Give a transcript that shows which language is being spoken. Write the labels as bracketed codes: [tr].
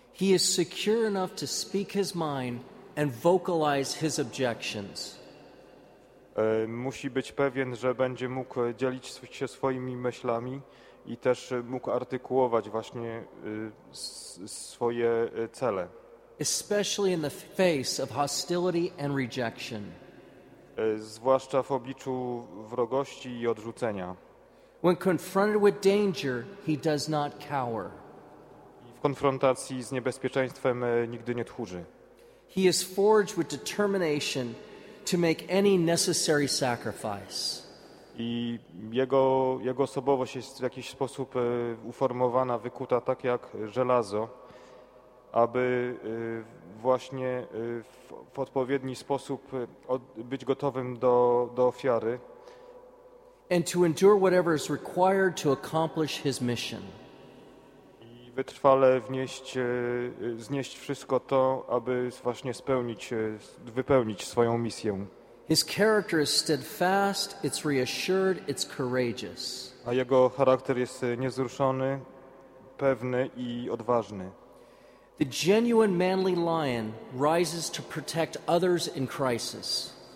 [en] He is secure enough to speak his mind and vocalize his objections. [pl] Musi być pewien, że będzie mógł dzielić się swoimi myślami i też mógł artykułować właśnie swoje cele. [en] Especially in the face of hostility and rejection. [pl] Zwłaszcza w obliczu wrogości i odrzucenia. [en] When confronted with danger, he does not cower. [pl] W konfrontacji z niebezpieczeństwem nigdy nie tchórzy. [en] He is forged with determination to make any necessary sacrifice. [pl] I jego osobowość jest w jakiś sposób uformowana, wykuta tak jak żelazo, aby właśnie w odpowiedni sposób być gotowym do ofiary. [en] And to endure whatever is required to accomplish his mission. [pl] I wytrwale znieść wszystko to, aby właśnie wypełnić swoją misję. [en] His character is steadfast, it's reassured, it's courageous. [pl] A jego charakter jest niezruszony, pewny i odważny. [en] The genuine manly lion rises to protect others in crisis.